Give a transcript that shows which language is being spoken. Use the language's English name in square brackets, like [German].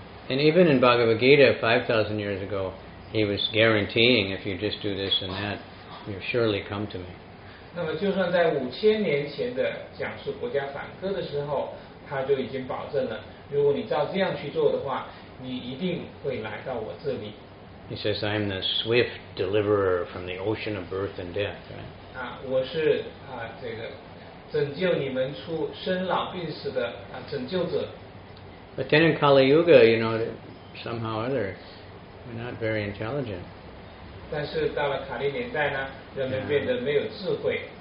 [English] And even in Bhagavad Gita, 5,000 years ago, he was guaranteeing if you just do this and that, you'll surely come to me. [Chinese] 那么就算在五千年前的讲述国家梵歌的时候，他就已经保证了，如果你照这样去做的话。你一定会来到我这里。 [English] He says, "I am the swift deliverer from the ocean of birth and death." Right? [Chinese] 我是这个拯救你们出生老病死的拯救者。 [English] But then in Kali Yuga, you know, somehow or other, we're not very intelligent. [Chinese] 但是到了卡利年代呢，人们变得没有智慧。